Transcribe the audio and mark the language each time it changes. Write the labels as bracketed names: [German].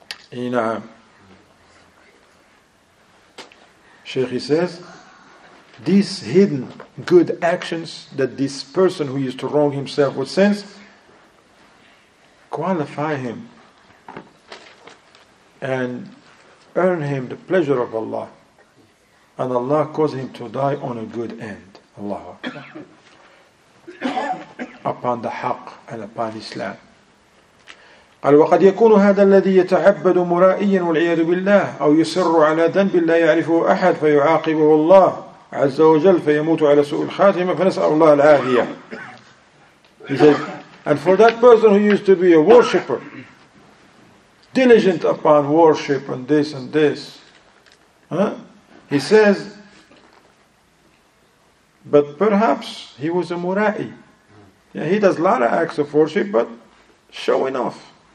[English] In Sheikh, he says, these hidden good actions that this person who used to wrong himself would sense, qualify him and earn him the pleasure of Allah, and Allah cause him to die on a good end, Allah, upon the haqq and upon Islam. [Arabic] قال وقد يكون هذا الذي يتعبد مرائيا والعياذ بالله أو يسر على ذنب لا يعرفه أحد فيعاقبه الله عز وجل فيموت على سوء الخاتمة فنسأل الله العافية. [English] And for that person who used to be a worshipper, diligent upon worship and this, he says, but perhaps he was a murai. Yeah, he does a lot of acts of worship, but showing off.